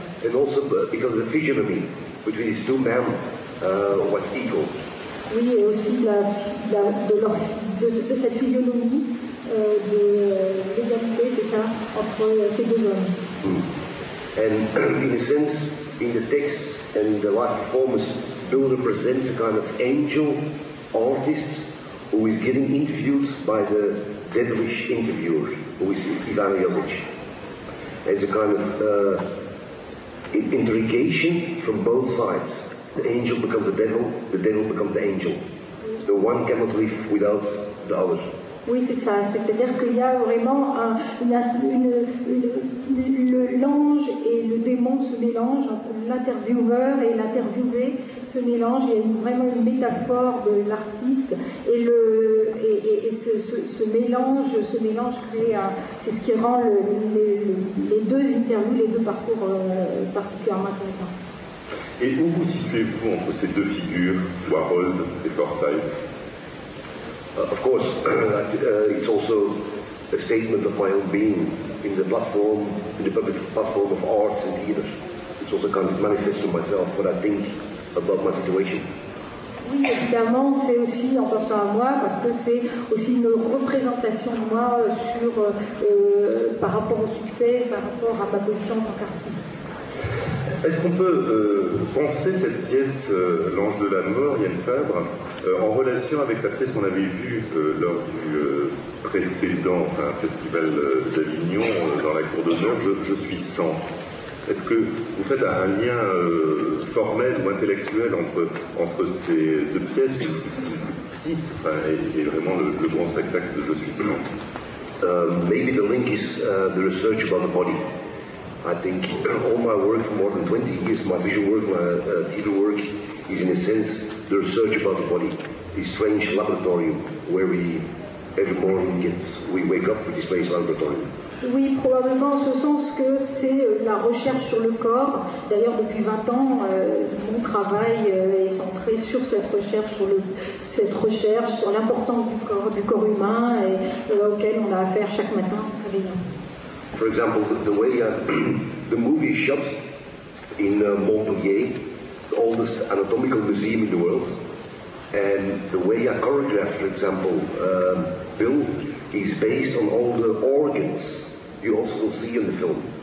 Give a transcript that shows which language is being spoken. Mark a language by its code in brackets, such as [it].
[en] And also because the physiognomy between these two men was equal. [fr] Oui, et aussi de cette physionomie de l'égalité, c'est ça, entre ces deux hommes. [en] And in a sense, in the text and the live performance, Bill represents a kind of angel artist who is getting interviewed by the devilish interviewer, who is Ivan Jovic. It's a kind of interrogation from both sides. The angel becomes the devil becomes the angel. The one cannot live without the other. [fr] Oui, c'est ça. C'est-à-dire qu'il y a vraiment l'ange et le démon se mélangent, l'intervieweur et l'interviewé se mélangent. Il y a vraiment une métaphore de l'artiste et ce mélange crée un. C'est ce qui rend les deux interviews, les deux parcours particulièrement intéressants. Et où vous situez-vous entre ces deux figures, Warhol et Forsythe? [en] Of course, it's also a statement of my own being in the platform, in the public platform of arts and theatre. It's also kind of manifest to myself what I think about my situation. [fr] Oui, évidemment, c'est aussi en pensant à moi, parce que c'est aussi une représentation de moi sur par rapport au succès, par rapport à ma position en tant qu'artiste. Est-ce qu'on peut penser cette pièce L'Ange de la Mort, Yann Fabre, en relation avec la pièce qu'on avait vue lors du précédent festival d'Avignon dans la cour d'honneur, Je suis sans. Est-ce que vous faites un lien formel ou intellectuel entre ces deux pièces, et vraiment le grand spectacle de Je suis sans? [en] Maybe the link is the research about the body. I think all my work for more than 20 years, my visual work, my theater work, is in a sense the research about the body, this strange laboratory where we, every morning, we wake up with this strange laboratory. [fr] Oui, probablement en ce sens que c'est la recherche sur le corps. D'ailleurs, depuis 20 ans, mon travail est centré sur cette recherche, sur l'importance du corps humain et auquel on a affaire chaque matin en se réveillant. [en] For example, the way the movie is shot in Montpellier, the oldest anatomical museum in the world, and the way I choreograph, for example, Bill, is based on all the organs you also will see in the film.